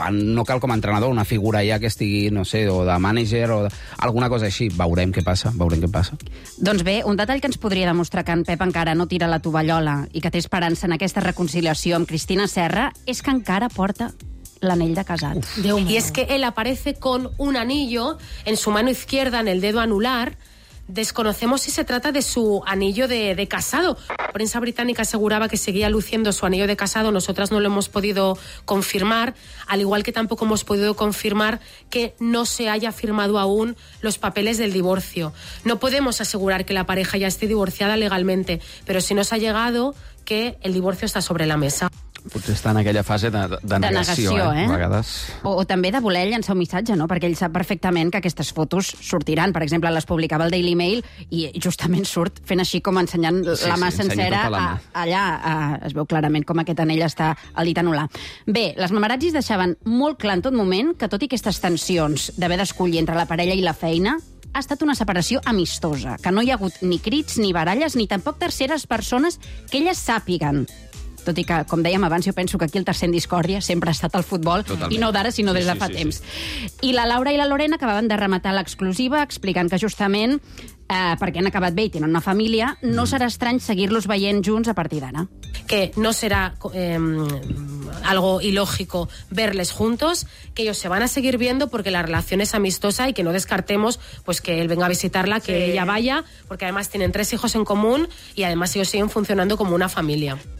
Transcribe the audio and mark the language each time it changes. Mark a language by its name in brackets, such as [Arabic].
[Catalan] No cal com a entrenador, una figura ja que estigui, no sé, o de mànager o alguna cosa així. Veurem què passa, veurem què passa. Doncs bé, un detall que ens podria demostrar que en Pep encara no tira la tovallola i que té esperança en aquesta reconciliació amb Cristina Serra és que encara porta l'anell de casat. I és que ell [Spanish] aparece con un anillo en su mano izquierda, en el dedo anular. Desconocemos si se trata de su anillo de casado. La prensa británica aseguraba que seguía luciendo su anillo de casado. Nosotras no lo hemos podido confirmar, al igual que tampoco hemos podido confirmar que no se haya firmado aún los papeles del divorcio. No podemos asegurar que la pareja ya esté divorciada legalmente, pero sí nos ha llegado que el divorcio está sobre la mesa. [Catalan] Potser està en aquella fase de negació, O també de voler llançar un missatge, no? Perquè ell sap perfectament que aquestes fotos sortiran. Per exemple, les publicava el Daily Mail i justament surt fent així com ensenyant la mà sencera. Tota la mà. Es veu clarament com aquest anell està al dit anular. Bé, les Mamarazzis deixaven molt clar en tot moment que tot i aquestes tensions d'haver d'escollir entre la parella i la feina, ha estat una separació amistosa, que no hi ha hagut ni crits, ni baralles, ni tampoc terceres persones que elles sàpiguen. Tot i que, com dèiem abans, jo penso que aquí el tercer en discòrdia sempre ha estat el futbol. Totalment. I no d'ara, sinó des de fa temps. Sí. I la Laura i la Lorena acabaven de rematar l'exclusiva explicant que justament, perquè han acabat bé i tenen una família, no serà estrany seguir-los veient junts a partir d'ara. [Spanish] Que no serà algo ilógico verles juntos, que ellos se van a seguir viendo porque la relación es amistosa y que no descartemos pues que él venga a visitarla, que ella vaya, porque además tienen tres hijos en común y además ellos siguen funcionando como una familia.